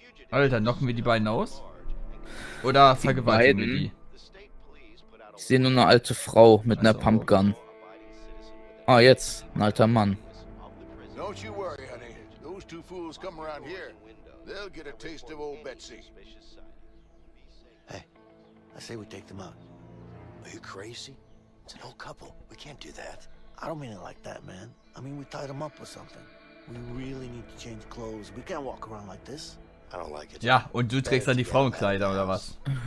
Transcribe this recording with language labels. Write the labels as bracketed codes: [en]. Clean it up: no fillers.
[de] Alter, knocken wir die beiden aus? Oder vergewaltigen wir die? Ich sehe nur eine alte Frau mit einer Pumpgun. Ah, jetzt. Ein alter Mann. [en] Don't you worry, honey. Those two fools come around here. They'll get a taste of old Betsy. Hey, I say we take them out. Are you crazy? It's an old couple. We can't do that. I don't mean it like that, man. I mean, we tied them up with something. We really need to change clothes. We can't walk around like this. I don't like it. [de] Ja, und du trägst dann die Frauenkleider, oder was?